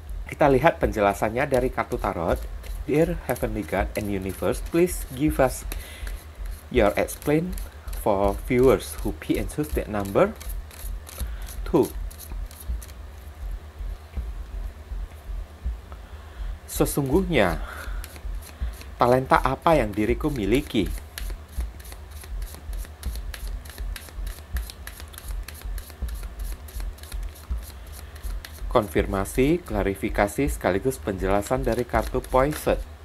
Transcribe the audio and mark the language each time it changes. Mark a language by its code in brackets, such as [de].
[id] Kita lihat penjelasannya dari kartu tarot. [en] Dear Heavenly God and Universe, please give us your explain for viewers who pick and choose that number 2. [id] Sesungguhnya, talenta apa yang diriku miliki? Konfirmasi, klarifikasi, sekaligus penjelasan dari kartu Poised.